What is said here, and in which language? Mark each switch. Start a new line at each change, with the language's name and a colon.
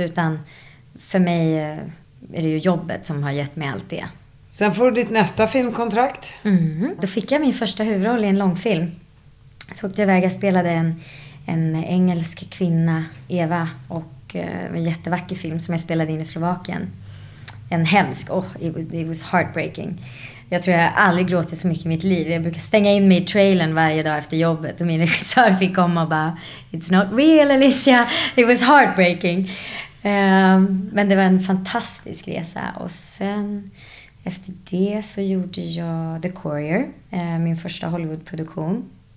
Swedish: Utan för mig är det ju jobbet som har gett mig allt det. Sen får du ditt nästa filmkontrakt. Då fick jag min första huvudroll i en långfilm. Så åkte jag iväg och spelade en engelsk kvinna, Eva. Och en jättevacker film som jag spelade in i Slovakien. En hemsk,
English: it was heartbreaking.
Swedish: Jag tror jag aldrig gråtit så mycket i mitt liv. Jag brukar stänga in mig i trailern varje dag efter jobbet. Och min regissör fick komma och bara,
English: it's not real Alicia, it was heartbreaking.
Swedish: Men det var en fantastisk resa. Och sen, efter det så gjorde jag The Courier, min första Hollywood-produktion.